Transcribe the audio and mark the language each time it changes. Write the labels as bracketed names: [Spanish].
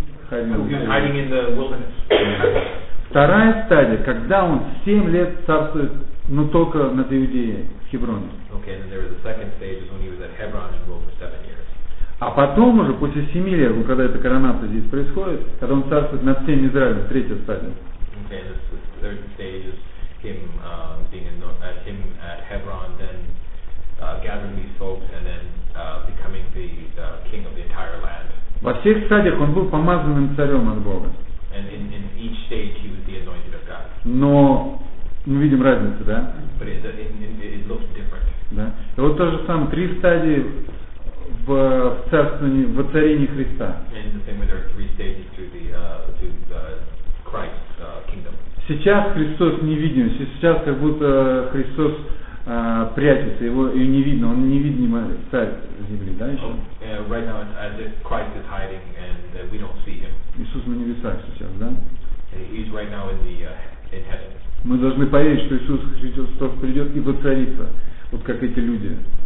[English] Hiding in the wilderness. [Russian] Вторая стадия, когда он 7 лет царствует, но только над Иудеей, в Хеброне. [English] Okay, and then there was a second stage when he was at Hebron and ruled for 7 years. [Russian] А потом уже, после 7 лет, когда эта коронация здесь происходит, когда он царствует над всем Израилем, третья стадия. [English] Okay, and the third stage is him being him at Hebron, then gathering these folks and then becoming the king of the entire land. [Russian] Во всех стадиях он был помазанным царем от Бога. [English] And in each stage he was the anointed of God. [Russian] Но мы видим разницу, да? [English] It looks different. [Russian] Да? И вот то же самое, три стадии в царствовании, в воцарении Христа. [English] And the same way there are three stages to the Christ's kingdom. [Russian] Сейчас Христос не виден, сейчас как будто Христос прячется, его и не видно, он невидимый царь земли, да, еще? [English] Right now, as if Christ is hiding and we don't see him. [Russian] Иисус на небесах сейчас, да? [English] He's right now in heaven. [Russian] Мы должны поверить, что Иисус Христос придет и воцарится, вот как эти люди.